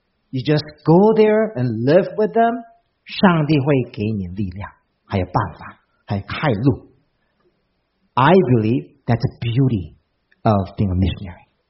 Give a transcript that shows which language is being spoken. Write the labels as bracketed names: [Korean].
[English] You just go there and live with them. [Chinese] 上帝会给你力量，还有办法，还有开路。 [English] I believe that's the beauty of being a missionary.